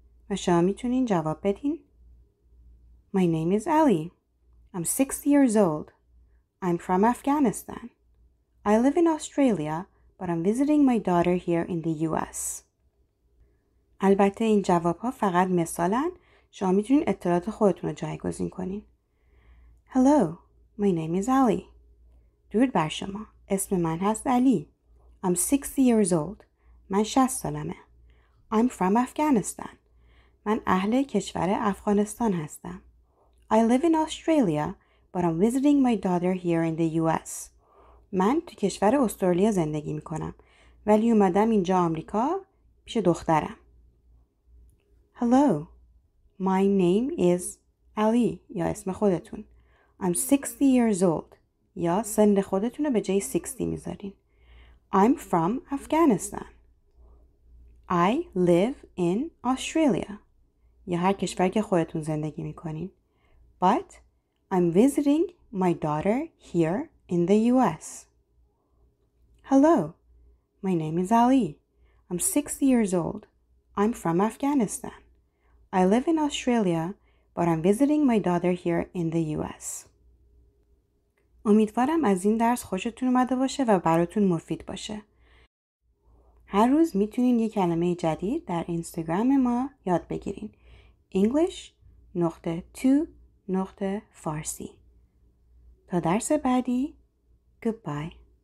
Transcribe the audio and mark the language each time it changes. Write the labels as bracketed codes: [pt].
[fa] و شما میتونین جواب بدین [en] My name is Ali. I'm 60 years old. I'm from Afghanistan. I live in Australia, but I'm visiting my daughter here in the US. [fa] البته این جواب‌ها فقط مثالن. شما میتونین اطلاعات خودتون رو جایگزین کنین. [en] Hello, my name is Ali. [fa] درود بر شما. اسم من هست علی. [en] I'm 60 years old. [fa] من 60 سالمه. [en] I'm from Afghanistan. [fa] من اهل کشور افغانستان هستم. [en] I live in Australia, but I'm visiting my daughter here in the US. [fa] من تو کشور استرالیا زندگی میکنم ولی اومدم اینجا آمریکا پیش دخترم. [en] Hello. My name is Ali. [fa] یا اسم خودتون. [en] I'm 60 years old. [fa] یا سن خودتون رو به جای 60 میذارین. [en] I'm from Afghanistan. I live in Australia. [fa] یا هر کشور که خودتون زندگی میکنین. [en] But I'm visiting my daughter here in the US. Hello. My name is Ali. I'm 60 years old. I'm from Afghanistan. I live in Australia, but I'm visiting my daughter here in the US. [fa] امیدوارم از این درس خوشتون اومده باشه و براتون مفید باشه. هر روز میتونین یک کلمه جدید در اینستاگرام ما یاد بگیرین. english.to.farsi تا درس بعدی، goodbye.